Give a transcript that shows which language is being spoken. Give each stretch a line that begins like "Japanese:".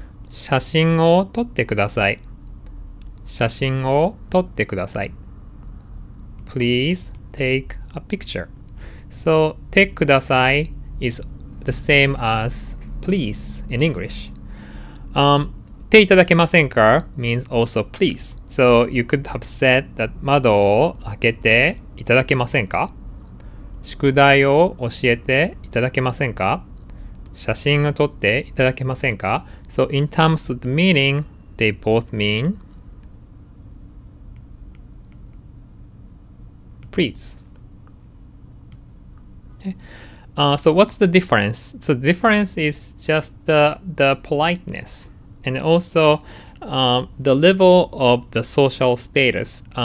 Japanese: 写真を撮ってください。写真を撮ってください。
English: Please take a picture. So, てください is the same as please in English. ていただけませんか means also please. So, you could have said that
Japanese: 窓を開けていただけませんか? 宿題を教えていただけませんか?写真を撮っていただけませんか?
English: So in terms of the meaning, they both mean please. Okay. So what's the difference? So the difference is just the politeness and also the level of the social status.